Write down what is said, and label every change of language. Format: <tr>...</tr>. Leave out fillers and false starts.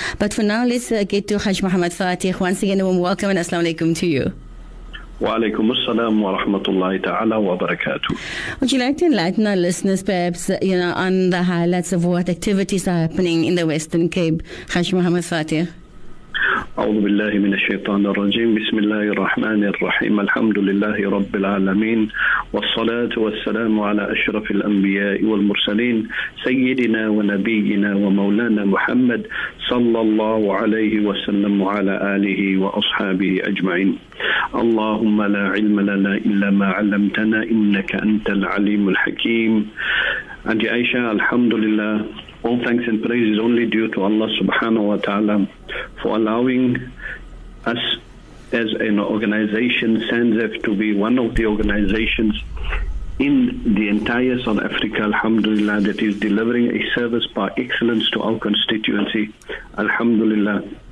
<en>But for now, let's get to Haj Muhammad Fathie. Once again, welcome and assalamu alaikum to you.</en> <ar>Wa alaikum assalam wa rahmatullahi ta'ala wa barakatuh.</ar> <en>Would you like to enlighten our listeners perhaps, you know, on the highlights of what activities are happening in the Western Cape? Haj Muhammad Fathie.</en> <ar>أعوذ بالله من الشيطان الرجيم بسم الله الرحمن الرحيم الحمد لله رب العالمين والصلاة والسلام على أشرف الأنبياء والمرسلين سيدنا ونبينا ومولانا محمد صلى الله عليه وسلم وعلى آله وأصحابه أجمعين اللهم لا علم لنا إلا ما علمتنا إنك أنت العليم الحكيم عن عائشة الحمد لله.</ar> <en>All thanks and praise is only due to Allah subhanahu wa ta'ala for allowing us as an organization, SANZAF, to be one of the organizations in the entire South Africa, alhamdulillah, that is delivering a service by excellence to our constituency, alhamdulillah.</en>